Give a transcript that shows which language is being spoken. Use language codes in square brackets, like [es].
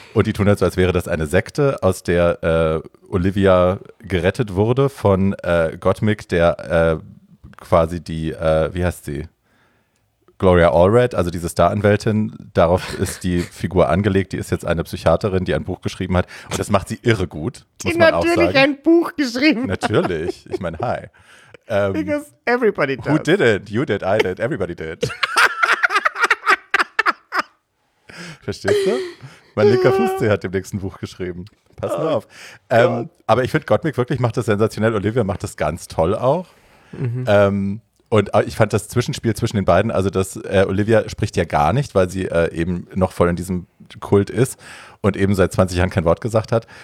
[de] Und die tun halt so, als wäre das eine Sekte, aus der Olivia gerettet wurde von Gott Mick, der quasi die, wie heißt sie? Gloria Allred, also diese Star-Anwältin, darauf ist die Figur angelegt. Die ist jetzt eine Psychiaterin, die ein Buch geschrieben hat. Und das macht sie irre gut. Muss die natürlich man auch sagen. Ein Buch geschrieben natürlich. Hat. Ich meine, hi. [en] Because everybody does. Who did it? You did, I did, everybody did. [de] Verstehst du? Mein linker Fuß hat dem nächsten Buch geschrieben. Pass mal auf. Aber ich finde, Gottmik wirklich macht das sensationell. Olivia macht das ganz toll auch. Mhm. Und ich fand das Zwischenspiel zwischen den beiden, also dass Olivia spricht ja gar nicht, weil sie eben noch voll in diesem Kult ist und eben seit 20 Jahren kein Wort gesagt hat.